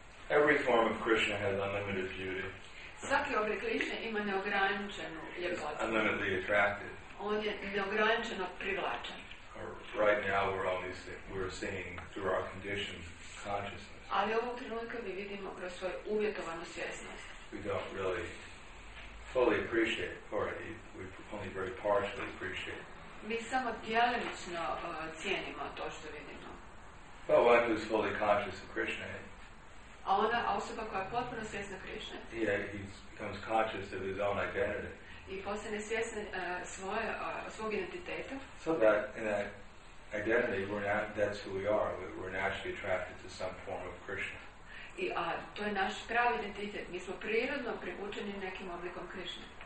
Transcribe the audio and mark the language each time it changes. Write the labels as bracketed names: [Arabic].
[English] Every form of Krishna has unlimited beauty. [Croatian] Svaki oblik Krišnje ima neograničenu ljepotu. [English] Unlimitedly attractive. [Croatian] On je neograničeno privlačan. [English] Right now we're seeing through our conditioned consciousness. [Croatian] Ali ovog trenutka mi vidimo kroz svoju uvjetovanu svjesnost. [English] We don't really fully appreciate, or we only very partially appreciate. [Croatian] Mi samo djelomično cijenimo to što vidimo. [English] But one who is fully conscious of Krishna. [Croatian] A ona osoba koja je potpuno svjesna Krishna. [English] Yeah, he becomes conscious of his own identity. [Croatian] I postane svjesna svog identiteta. [English] So that in that identity, that's who we are. We're naturally attracted to some form of Krishna. [Croatian] I to je naš pravi identitet. Mi smo prirodno privučeni nekim oblikom Krišne.